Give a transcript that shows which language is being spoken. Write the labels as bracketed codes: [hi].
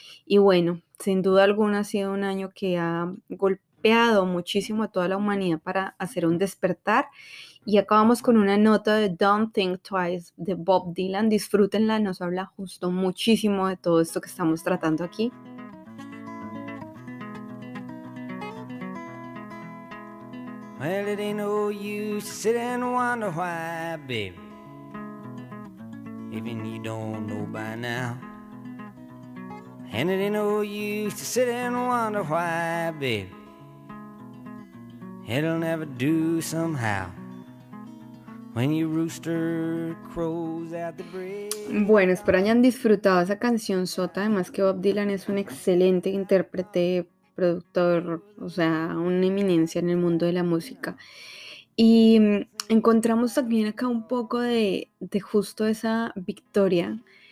[es] Y bueno, sin duda alguna ha sido un año que ha golpeado muchísimo a toda la humanidad para hacer un despertar. Y acabamos con una nota de Don't Think Twice de Bob Dylan. Disfrútenla, nos habla justo muchísimo de todo esto que estamos tratando aquí. [en] Well, it ain't no use to sit and wonder why, baby, even you don't know by now. And it ain't no use to sit and wonder why, baby, it'll never do somehow. When your rooster crows at the bridge. [es] Bueno, espero hayan disfrutado esa canción sota. Además que Bob Dylan es un excelente intérprete, productor, o sea, una eminencia en el mundo de la música. Y encontramos también acá un poco de justo esa victoria.